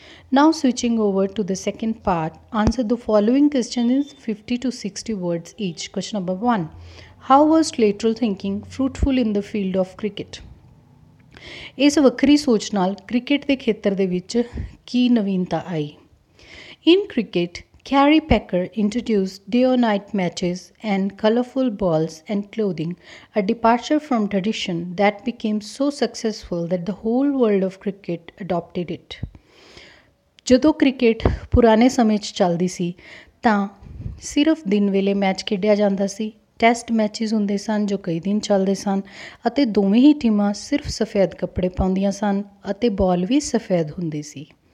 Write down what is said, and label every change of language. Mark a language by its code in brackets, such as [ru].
[en] Now switching over to the second part, answer the following question in 50 to 60 words each. Question number 1. How was lateral thinking fruitful in the field of cricket? [pa] ਇਸ ਵੱਖਰੀ ਸੋਚ ਨਾਲ cricket ਦੇ ਖੇਤਰ ਦੇ ਵਿੱਚ ਕੀ ਨਵੀਨਤਾ ਆਈ? [en] In cricket, Carrie Packer introduced day-or-night matches and colorful balls and clothing, a departure from tradition that became so successful that the whole world of cricket adopted it. [pa] ਜਦੋਂ ਕ੍ਰਿਕਟ ਪੁਰਾਣੇ ਸਮੇਂ 'ਚ ਚੱਲਦੀ ਸੀ ਤਾਂ ਸਿਰਫ ਦਿਨ ਵੇਲੇ ਮੈਚ ਖੇਡਿਆ ਜਾਂਦਾ ਸੀ। ਟੈਸਟ ਮੈਚਿਸ ਹੁੰਦੇ ਸਨ ਜੋ ਕਈ ਦਿਨ ਚੱਲਦੇ ਸਨ ਅਤੇ ਦੋਵੇਂ ਹੀ ਟੀਮਾਂ ਸਿਰਫ ਸਫੈਦ ਕੱਪੜੇ ਪਾਉਂਦੀਆਂ ਸਨ ਅਤੇ ਬਾਲ ਵੀ ਸਫੈਦ ਹੁੰਦੀ ਸੀ।